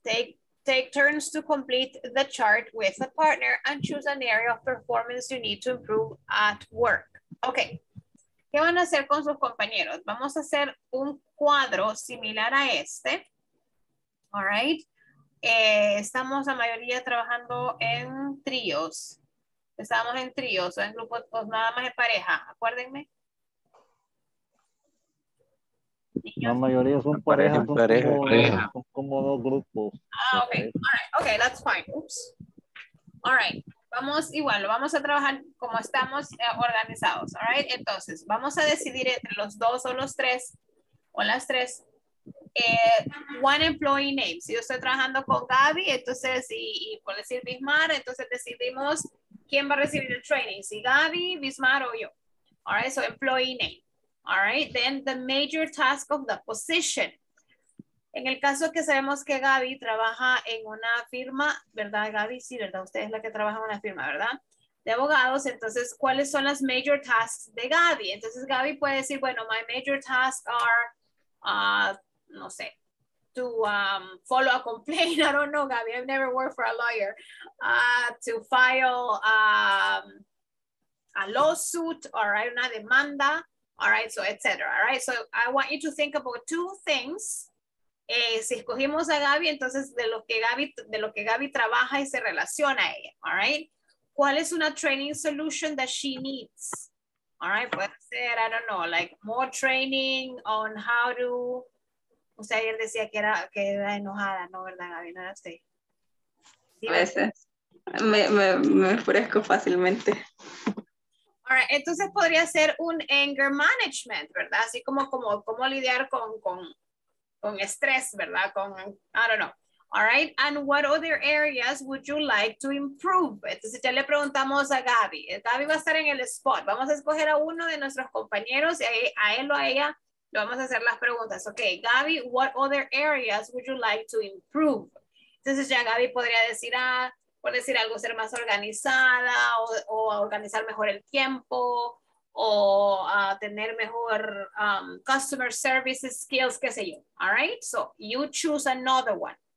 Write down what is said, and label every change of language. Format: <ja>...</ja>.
<en>Take turns to complete the chart with a partner and choose an area of performance you need to improve at work.</en> <es>Okay. ¿Qué van a hacer con sus compañeros? Vamos a hacer un cuadro similar a este. All right. Estamos la mayoría trabajando en tríos. Estamos en tríos o en grupos, pues nada más en pareja. Acuérdenme. La mayoría son parejas, son como dos grupos.</es> <en>Ah, ok. All right. Ok, that's fine. Oops. All right.</en> <es>Vamos igual, vamos a trabajar como estamos organizados. All right. Entonces, vamos a decidir entre los dos o los tres, o las tres,</es> <en>one employee name.</en> <es>Si yo estoy trabajando con Gaby, entonces, y por decir Bismar, entonces decidimos quién va a recibir el training. Si Gaby, Bismar o yo. All right. So, employee name.</es> <en>All right, then the major task of the position.</en> <es>En el caso que sabemos que Gaby trabaja en una firma, ¿verdad, Gaby? Sí, ¿verdad? Usted es la que trabaja en una firma, ¿verdad? De abogados, entonces, ¿cuáles son las major tasks de Gaby? Entonces, Gaby puede decir, bueno,</es> <en>my major tasks are,</en> <es>no sé,</es> <en>to follow a complaint. I don't know, Gaby. I've never worked for a lawyer. To file a lawsuit, all right,</en> <es>una demanda.</es> <en>All right, so etc. All right, so I want you to think about two things.</en> <es>Si escogimos a Gaby, entonces de lo que Gaby trabaja y se relaciona a ella. All right, ¿cuál es una</es> <en>training solution that she needs? All right,</en> <es>puede ser,</es> <en>I don't know, like more training on how to.</en> <es>Usted ayer decía que era enojada, ¿no, verdad, Gaby? No era así. A veces me enfurezco fácilmente. Alright, entonces podría ser un anger management, ¿verdad? Así como lidiar con estrés, ¿verdad? Con,</es> <en>I don't know. Alright, and what other areas would you like to improve?</en> <es>Entonces ya le preguntamos a Gaby. Gaby va a estar en el spot. Vamos a escoger a uno de nuestros compañeros y a él o a ella le vamos a hacer las preguntas.</es> <en>Ok, Gaby, what other areas would you like to improve?</en> <es>Entonces ya Gaby podría decir, ah, por decir algo, ser más organizada o organizar mejor el tiempo o tener mejor customer service skills, qué sé yo.</es> <en>All right, so you choose another one.</en>